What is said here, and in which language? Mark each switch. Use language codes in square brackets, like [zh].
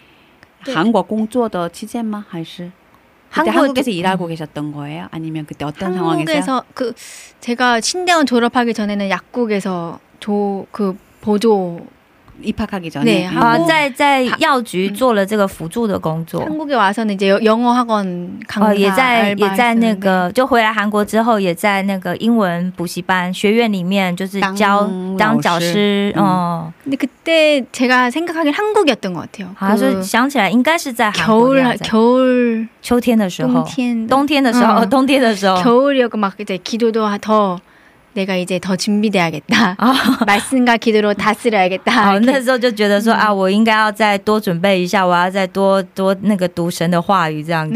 [zh] 你当时在韩国吗？你在那个你读华语的时候很震惊的那个时间段是的时候，你是在韩国工作的期间吗？还是？ [ko] 한국에서 일하고 계셨던 거예요? 아니면 그때 어떤 상황에서요? 한국에서 그 제가 신대원 졸업하기 전에는 약국에서 조 그 보조 입학하기 전에 [zh] 네, 在药局做了这个辅助的工作. [ko] 한국에 와서는 이제 영어 학원 강사 [zh] 也在那个就回来韩国之后也在那个英文补习班学院里面就是教当讲师哦. [ko] 근데 그때 제가 생각하기엔 한국이었던 것 같아요. [zh] 아就想起来应该是在韩国겨울秋天的时候冬天的时候冬天的时候冬天的时候겨울이었고 [ko] 막 이제 기도도 더 내가 이제 더 준비돼야겠다. 말씀과 기도로 다스려야겠다. [zh] 那时候就觉得说啊我应该要再多准备一下我要再多那个读神的话语这样子